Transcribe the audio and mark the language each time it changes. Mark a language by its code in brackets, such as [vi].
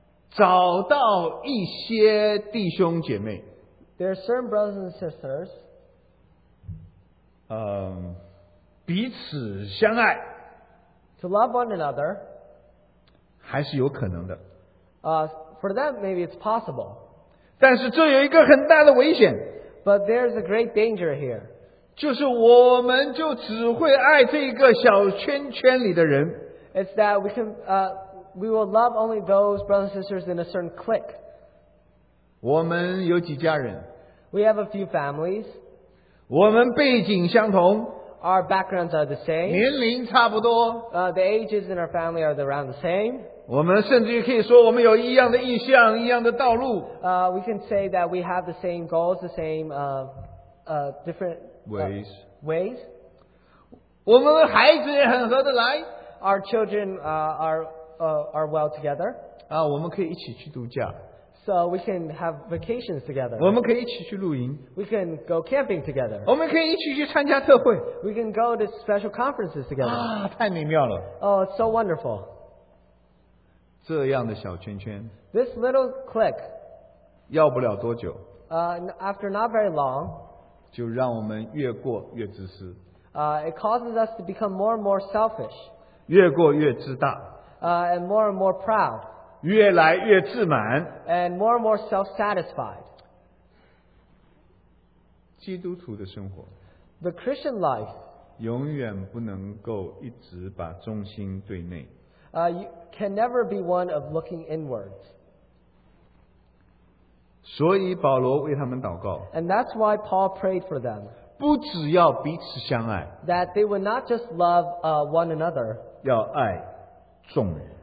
[zh] 找到一些弟兄姐妹, [en] there are certain brothers and sisters, [zh] 彼此相爱, [en] to love one another, [zh] 还是有可能的, [en] for them maybe it's possible, [zh] 但是这有一个很大的危险, [en] but there's a great danger here, [zh] 就是我们就只会爱这个小圈圈里的人, [en] it's that we can, we will love only those brothers and sisters in a certain clique. [zh] 我们有几家人? [en] We have a few families. [zh] 我们背景相同。 [en] our backgrounds are the same. [zh] 年龄差不多, [en] the ages in our family are around the same. [zh] 我们甚至于可以说我们有一样的意向，一样的道路。 [en] We can say that we have the same goals, the same different ways. Ways. [zh] 我们的孩子也很合得来。 [en] Our children are well together. [zh] 啊，我们可以一起去度假。 [en] So we can have vacations together. [zh] 我们可以一起去露营。 [en] We can go camping together. [zh] 我们可以一起去参加特会。 [en] We can go to special conferences together. [zh] 啊，太美妙了。 [en] Oh, it's so wonderful. [zh] 这样的小圈圈, [en] this little click, [zh] 要不了多久, [en] after not very long, [zh] 就让我们越过越自私。 [en] It causes us to become more and more selfish. [zh] 越过越自大。 [en] And more proud. [zh] 越来越自满, [en] and more self-satisfied. [zh] 基督徒的生活, [en] the Christian life, [zh] 永远不能够一直把重心对内。 [en] You can never be one of looking inwards. [zh] 所以保罗为他们祷告, [en] and that's why Paul prayed for them. [zh] 不只要彼此相爱, [en] that they would not just love one another. [zh] 要爱众人。